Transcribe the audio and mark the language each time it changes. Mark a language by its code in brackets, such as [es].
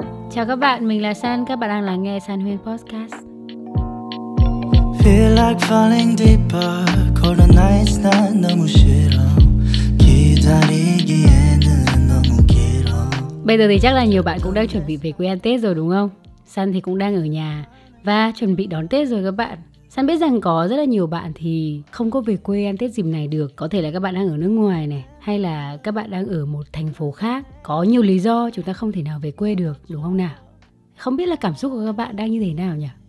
[vi] Chào các bạn, mình là San, các bạn đang lắng nghe San Huyên Podcast. [en] Feel like falling deeper, cold and nice, [ko] 난 너무 싫어. 기다리기에는 너무 길어. [vi] Bây giờ thì chắc là nhiều bạn cũng đang chuẩn bị về quê ăn Tết rồi đúng không? San thì cũng đang ở nhà và chuẩn bị đón Tết rồi các bạn. San biết rằng có rất là nhiều bạn thì không có về quê ăn Tết dịp này được. Có thể là các bạn đang ở nước ngoài này, hay là các bạn đang ở một thành phố khác. Có nhiều lý do chúng ta không thể nào về quê được, đúng không nào? Không biết là cảm xúc của các bạn đang như thế nào nhỉ?